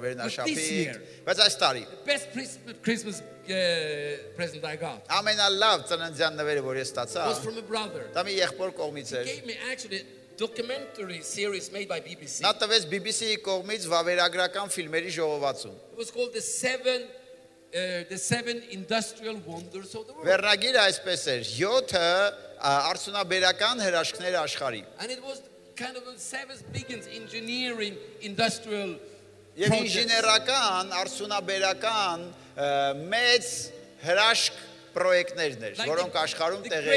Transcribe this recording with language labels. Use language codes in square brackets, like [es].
[hy] վերնաշապիկ։ Բայց այս տարի։ [en] Best Christmas present I got. [hy] Ամենալավ ծննդյան նվերը, որ ես ստացա։ [en] Was from a brother. [hy] Դա մի եղբոր կողմից էր։ [en] He gave me actually documentary series made by BBC. [hy] Նա տվեց BBC-ի կողմից վավերագրական ֆիլմերի ժողովածու։ [en] It was called the seven industrial wonders of the world. [hy] Վերնագիրը այսպես էր. 7 արդյունաբերական հրաշքներ աշխարհի։ And it was kind of a seventh begins engineering industrial project. Եվ ինժեներական արդյունաբերական մեծ հրաշք պրոյեկտներն էր, որոնք աշխարհում տեղի